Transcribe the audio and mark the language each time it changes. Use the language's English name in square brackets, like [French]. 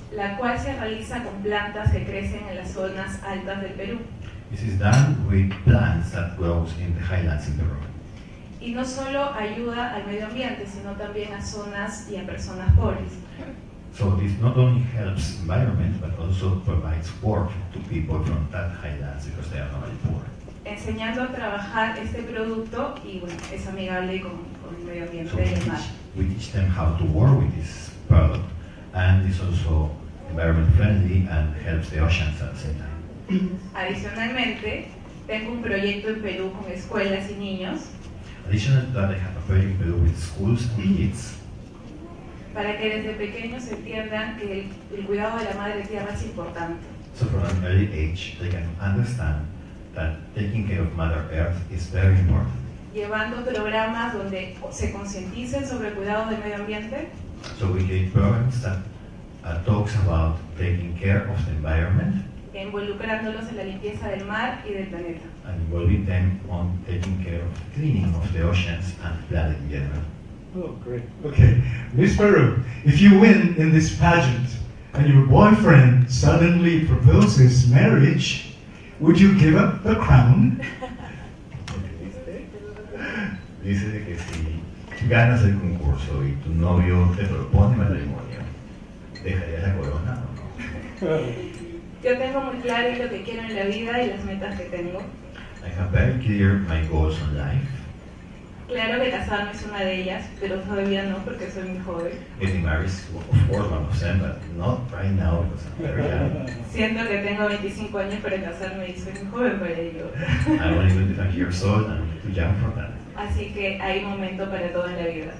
[Spanish] La cual se realiza con plantas que crecen en las zonas altas del Perú. [English] This is done with plants that grows in the highlands in Peru. [Spanish] Y no solo ayuda al medio ambiente, sino también a zonas y a personas pobres. [English] So this not only helps environment, but also provides work to people from that highlands because they are normally poor. [Spanish] Enseñando a trabajar este producto y bueno, es amigable con el medio ambiente del mar. [English] We teach them how to work with this product. And it's also environment friendly and helps the oceans at the same time. [Spanish] Adicionalmente, tengo un proyecto en Perú con escuelas y niños. [English] Additional to that, I have a project in Peru with schools and kids. [Spanish] Para que desde pequeños entiendan que el cuidado de la madre tierra es importante. [English] So from an early age, they can understand that taking care of Mother Earth is very important. [Spanish] Llevando programas donde se concienticen sobre el cuidado del medio ambiente. [English] So we lead programs that talks about taking care of the environment. [Spanish] Involucrándolos en la limpieza del mar y del planeta. [English] And involving them on taking care of cleaning of the oceans and planet in general. Oh, great. Okay, Miss Peru, if you win in this pageant and your boyfriend suddenly proposes marriage, would you give up the crown? [Spanish] Dice que si ganas el concurso y tu novio te propone matrimonio, ¿dejarías la corona o no? Yo tengo muy claro lo que quiero en la vida y las metas que tengo. [English] I have very clear my goals in life. [Spanish] Claro que casarme es una de ellas, pero todavía no porque soy muy joven. [English] Getting married is of course one of them, but not right now because I'm very young. [Spanish] Siento que tengo 25 años para casarme y soy muy joven para ello. [English] I'm only 25 years old and I'm too young for that. [Spanish] Así que hay momento para todo en la vida.